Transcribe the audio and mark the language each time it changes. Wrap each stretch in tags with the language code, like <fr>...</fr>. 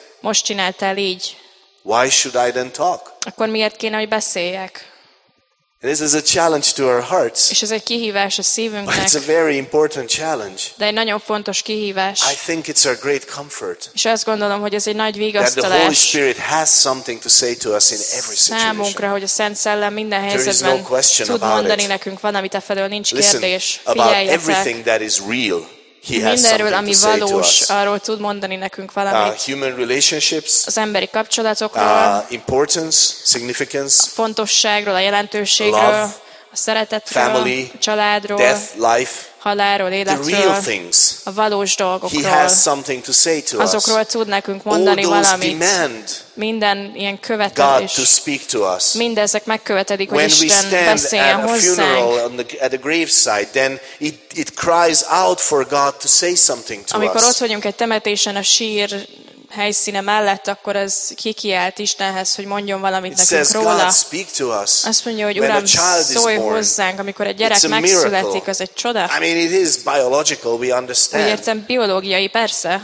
<hu>Most csináltál így.</hu> <en>Why should I then talk?</en> <hu>Akkor miért kéne, hogy beszéljek?</hu> <en>This is a challenge to our hearts.</en> <hu>És ez egy kihívás a szívünknek.</hu> <en>It's a very important challenge.</en> <hu>De egy nagyon fontos kihívás.</hu> <en>I think it's our great comfort.</en> <hu>És azt gondolom, hogy ez egy nagy vigasztalás.</hu> <en>That the Holy Spirit has something to say to us in every situation.</en> <hu>Számunkra, hogy a Szent Szellem minden helyzetben tud mondani nekünk valamit, afelől nincs kérdés.</hu> <en>About everything that is real, he has</en> <hu>mindenről, ami valós, arról tud mondani nekünk valamit.</hu> <en>Human relationships,</en> <hu>az emberi kapcsolatokról,</hu> <en>importance, significance,</en> <hu>a fontosságról, a jelentőségről,</hu> <en>love,</en> <hu>a szeretetről,</hu> <en>family,</en> <hu>a családról,</hu> <en>death, life,</en> <hu>halálról, életről,</hu> <en>the real things,</en> <hu>a valós dolgokról.</hu> <en>He has something to say to</en> <hu>azokról</hu> <en>us.</en> <hu>Tud nekünk mondani</hu> <en>all</en> <hu>valamit.</hu> <en>Demand,</en> <hu>minden ilyen követelés.</hu> <en>God to speak to us.</en> <hu>Mindezek megkövetedik,</hu> <en>when</en> <hu>hogy Isten beszéljen hozzánk.</hu> <en>When we stand at a funeral at the graveside, then it cries out for God to say something to</en> <hu>amikor</hu> <en>us.</en> <hu>Amikor ott vagyunk egy temetésen a sír helyszíne mellett, akkor ez kikiált Istenhez, hogy mondjon valamit</hu> <en>it</en> <hu>nekünk</hu> <en>says,</en> <hu>róla.</hu> <en>God, speak to us.</en> <hu>Azt mondja, hogy Uram, szólj hozzánk, amikor egy gyerek megszületik, az egy csoda.</hu> <en>I mean, it is biological, we understand.</en> <hu>Úgy értem, biológiai, persze.</hu>